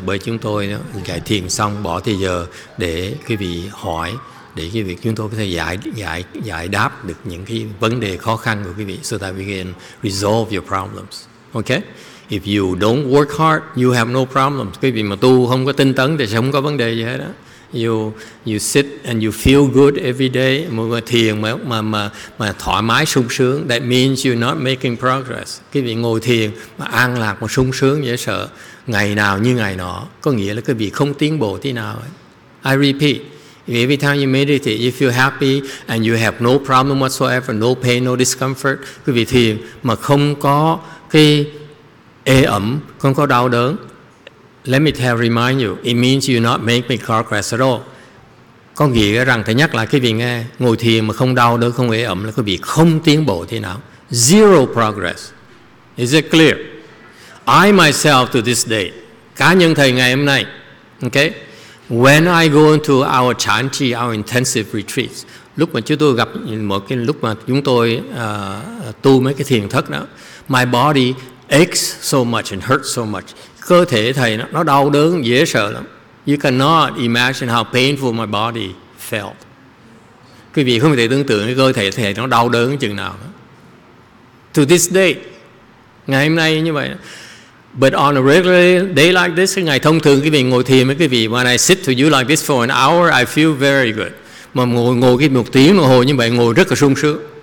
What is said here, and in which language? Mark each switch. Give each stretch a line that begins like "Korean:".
Vietnamese: Bởi chúng tôi giải thiền xong bỏ thời giờ để quý vị hỏi, để quý vị chúng tôi có thể giải đáp được những cái vấn đề khó khăn của quý vị,
English: so that we can resolve your problems. Okay? If you don't work hard, you have no problems.
Vietnamese: Quý vị mà tu không có tinh tấn thì sẽ không có vấn đề gì hết đó.
English: You sit and you feel good every day.
Vietnamese: Một người thiền mà thoải mái sung sướng,
English: that means you're not making progress.
Vietnamese: Quý vị ngồi thiền mà an lạc mà sung sướng dễ sợ, ngày nào như ngày nọ, có nghĩa là quý vị không tiến bộ tí nào ấy.
English: I repeat, every time you meditate, you feel happy and you have no problem whatsoever, no pain, no discomfort.
Vietnamese: Quý vị thiền mà không có cái ê ẩm, không có đau đớn,
English: let me remind you, it means you're not making progress at all.
Vietnamese: Có nghĩa rằng, thầy nhắc lại quý vị nghe, ngồi thiền mà không đau đớn, không ê ẩm là quý vị không tiến bộ thế nào.
English: Zero progress. Is it clear? I myself to this day,
Vietnamese: cá nhân thầy ngày hôm nay,
English: okay, when I go into our chan chi, our intensive retreats,
Vietnamese: lúc mà chúng tôi gặp một cái lúc mà chúng tôi tu mấy cái thiền thất đó,
English: my body aches so much and hurts so much.
Vietnamese: Cơ thể thầy nó đau đớn dễ sợ lắm.
English: You cannot imagine how painful my body felt.
Vietnamese: Quý vị không thể tưởng tượng cái cơ thể thầy nó đau đớn chừng nào.
English: To this day,
Vietnamese: ngày hôm nay như vậy.
English: But on a regular day like this,
Vietnamese: ngày thông thường quý vị ngồi thiền với quý vị,
English: when I sit to you like this for an hour, I feel very good.
Vietnamese: Mà ngồi cái một tiếng đồng hồ như vậy, ngồi rất là sung sướng.